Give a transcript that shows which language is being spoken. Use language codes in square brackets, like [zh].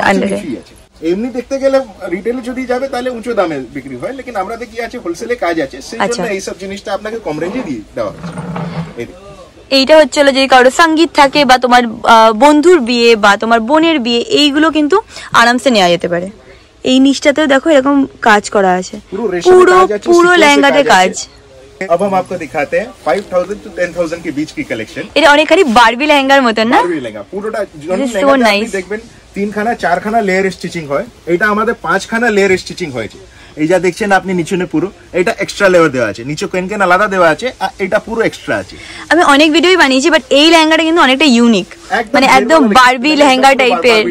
[bn] আন্ডারে এমনি দেখতে গেলে রিটেইলে যদি যাবে তাহলে উঁচু দামে বিক্রি হয় কিন্তু আমরা দেখি আছে হোলসেলে কাজ আছে সেজন্য এই সব জিনিসটা আপনাকে কম রেঞ্জে দিয়ে দেওয়া হচ্ছে এইটা হচ্ছে হলো যে কারো সংগীত থাকে বা তোমার বন্ধুর বিয়ে বা তোমার বোনের বিয়ে এইগুলো কিন্তু আরামসে নেওয়া যেতে পারে এই নিশটাতেও দেখো এরকম কাজ করা আছে পুরো রেশমের কাজ আছে পুরো লেহেঙ্গাতে কাজ [hi] अब हम आपको दिखाते हैं 5000 टू 10000 के बीच की कलेक्शन [bn] এটা অনেক খালি বারবি লেহেঙ্গার মত না বারবি লেহেঙ্গা পুরোটা যেমন আপনি দেখবেন তিন খানা চার খানা লেয়ার স্টিচিং হয় এটা আমাদের পাঁচ খানা লেয়ার স্টিচিং হয়েছে এই যা দেখছেন আপনি নিচেনে পুরো এটা এক্সট্রা লেয়ার দেওয়া আছে নিচে কেনকেন আলাদা দেওয়া আছে আর এটা পুরো এক্সট্রা আছে আমি অনেক ভিডিওই বানিয়েছি বাট এই লেহেঙ্গাটা কিন্তু অনেকটা ইউনিক মানে একদম বারবি লেহেঙ্গা টাইপের